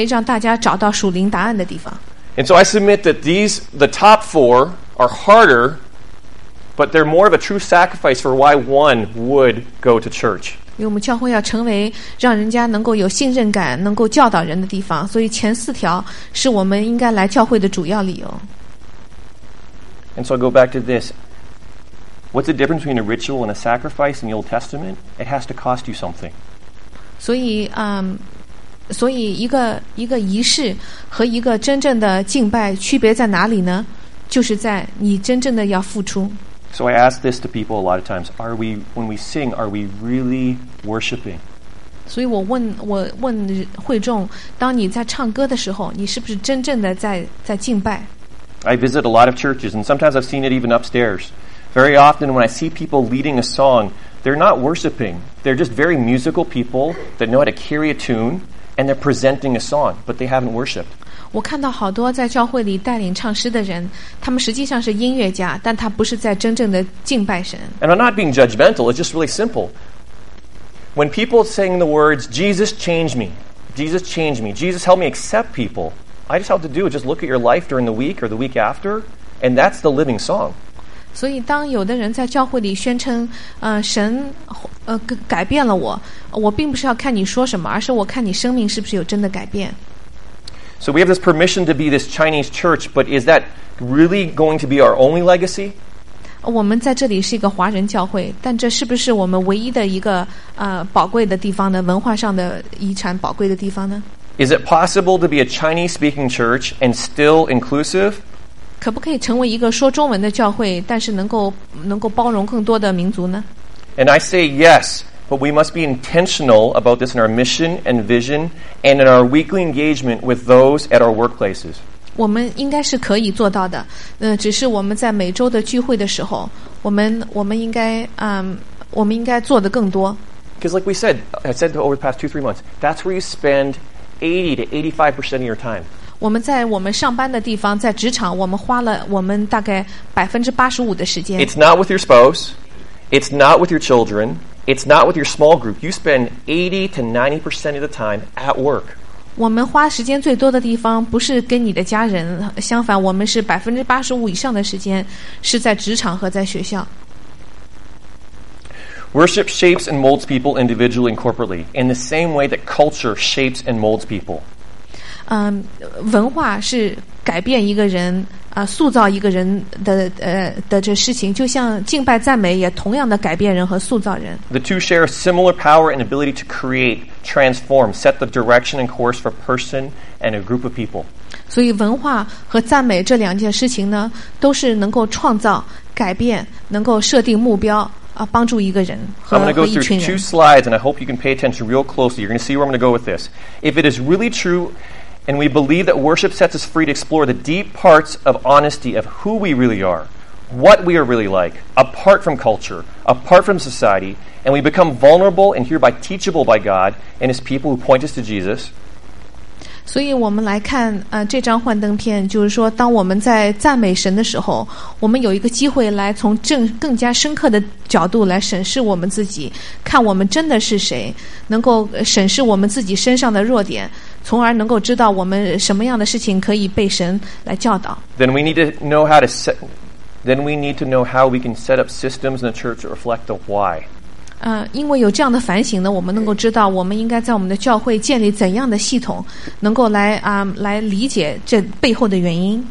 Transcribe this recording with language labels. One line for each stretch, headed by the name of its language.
Chinese: 我们这个教会呢，应该成为敬拜神的地方，成为让大家找到属灵答案的地方。
English: And so I submit that the top four are harder, but they're more of a true sacrifice for why one would go to church.
Chinese: 因为我们教会要成为让人家能够有信任感，能够教导人的地方，所以前四条是我们应该来教会的主要理由。
English: And so I go back to this. What's the difference between a ritual and a sacrifice in the Old Testament? It has to cost you something.
Chinese: 所以一个仪式和一个真正的敬拜区别在哪里呢？就是在你真正的要付出。
English: So I ask this to people a lot of times. When we sing, are we really worshiping?
Chinese: 所以我问会众，当你在唱歌的时候，你是不是真正的在敬拜？
English: I visit a lot of churches, and sometimes I've seen it even upstairs. Very often when I see people leading a song, they're not worshiping. They're just very musical people that know how to carry a tune, and they're presenting a song, but they haven't worshiped.
Chinese: 我看到好多在教会里带领唱诗的人，他们实际上是音乐家，但他不是在真正的敬拜神。
English: And I'm not being judgmental, it's just really simple. When people sing the words, Jesus change me, Jesus change me, Jesus help me accept people, I just have to do is just look at your life during the week or the week after, and that's the living song.
Chinese: 所以当有的人在教会里宣称神改变了我，我并不是要看你说什么，而是我看你生命是不是有真的改变。
English: So we have this permission to be this Chinese church, but is that really going to be our only legacy?
Chinese: 我们在这里是一个华人教会，但这是不是我们唯一的一个宝贵的地方呢？文化上的遗产，宝贵的地方呢？
English: Is it possible to be a Chinese speaking church and still inclusive?
Chinese: 可不可以成为一个说中文的教会，但是能够包容更多的民族呢？
English: And I say yes. But we must be intentional about this in our mission and vision and in our weekly engagement with those at our workplaces.
Chinese: 我们应该是可以做到的，只是我们在每周的聚会的时候，我们应该做的更多。
English: Because like we said, I said over the past 2-3 months, that's where you spend 80-85% of your time.
Chinese: 我们在我们上班的地方，在职场，我们花了我们大概85%的时间。
English: It's not with your spouse. It's not with your children. It's not with your small group. You spend 80-90% of the time at work.
Chinese: 我们花时间最多的地方不是跟你的家人，相反，我们是85%以上的时间是在职场和在学校。
English: Worship shapes and molds people individually and corporately in the same way that culture shapes and molds people.
Chinese: 文化是改变一个人塑造一个人的的这事情，就像敬拜赞美也同样的改变人和塑造人。
English: The two share similar power and ability to create, transform, set the direction and course for a person and a group of people.
Chinese: 所以文化和赞美这两件事情呢，都是能够创造、改变、能够设定目标帮助一个人和一群人。
English: I'm going to go through two slides, and I hope you can pay attention real closely. You're going to see where I'm going to go with this. If it is really true. And we believe that worship sets us free to explore the deep parts of honesty of who we really are, what we are really like, apart from culture, apart from society, and we become vulnerable and hereby teachable by God and His people who point us to Jesus.
Chinese: 所以我们来看这张幻灯片，就是说当我们在赞美神的时候，我们有一个机会来从更加深刻的角度来审视我们自己，看我们真的是谁，能够审视我们自己身上的弱点，从而能够知道我们什么样的事情可以被神来教导。
English: Then we need to know how we can set up systems in the church that reflect the why.
Chinese: 因为有这样的反省呢，我们能够知道我们应该在我们的教会建立怎样的系统，能够来理解这背后的原因。